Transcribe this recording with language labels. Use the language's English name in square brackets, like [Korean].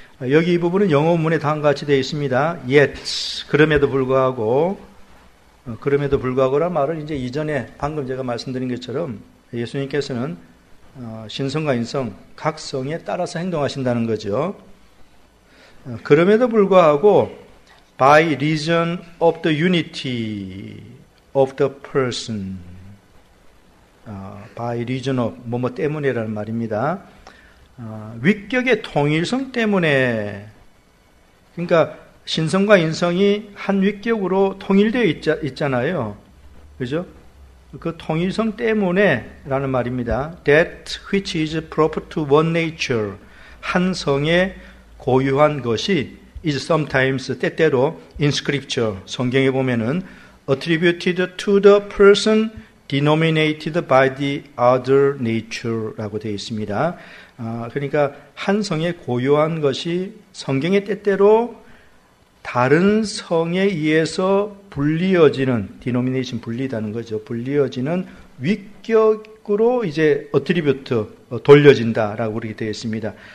[Korean] 여기 이 부분은 영어문에 다음과 같이 되어 있습니다. Yet, 그럼에도 불구하고, 그럼에도 불구하고란 말은 이제 이전에 방금 제가 말씀드린 것처럼 예수님께서는 신성과 인성, 각 성에 따라서 행동하신다는 거죠. 그럼에도 불구하고 [English] by reason of the unity of the person by reason of [Korean] 뭐뭐 때문에라는 말입니다. 위격의 통일성 때문에 그러니까 신성과 인성이 한 위격으로 통일되어 있잖아요. 그죠? 그 통일성 때문에 라는 말입니다. [English] That which is proper to one nature [Korean] 한 성의 고유한 것이 [English] is sometimes [Korean] 때때로 [English] in scripture [Korean] 성경에 보면은 [English] attributed to the person denominated by the other nature [Korean] 라고 되어 있습니다. 그러니까 한 성의 고유한 것이 성경의 때때로 다른 성에 의해서 분리어지는 denomination 분리다는 거죠. 분리어지는 위격으로 이제 attribute 돌려진다라고 그렇게 되어 있습니다.